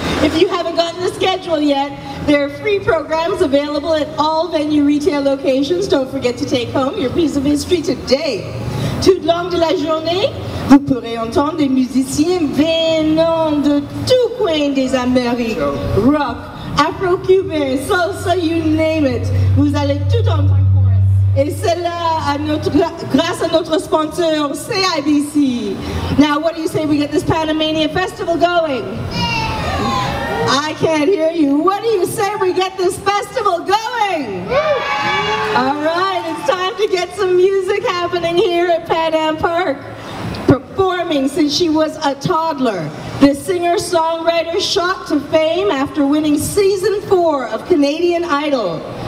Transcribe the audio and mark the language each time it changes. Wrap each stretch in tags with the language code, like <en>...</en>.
<en>If you haven't gotten the schedule yet, there are free programs available at all venue retail locations. Don't forget to take home your piece of history today.</en> <fr>Tout le long de la journée, vous pourrez entendre des musiciens venant de tout coin des Amériques.</fr> <en>Rock, Afro-Cuban, salsa, you name it.</en> <fr>Vous allez tout entendre. Et cela à notre, grâce à notre sponsor, CIBC.</fr> <en>Now, what do you say we get this Panamania Festival going? I can't hear you. What do you say we get this festival going? All right, it's time to get some music happening here at Pan Am Park. Performing since she was a toddler, the singer-songwriter shot to fame after winning season 4 of Canadian Idol.</en>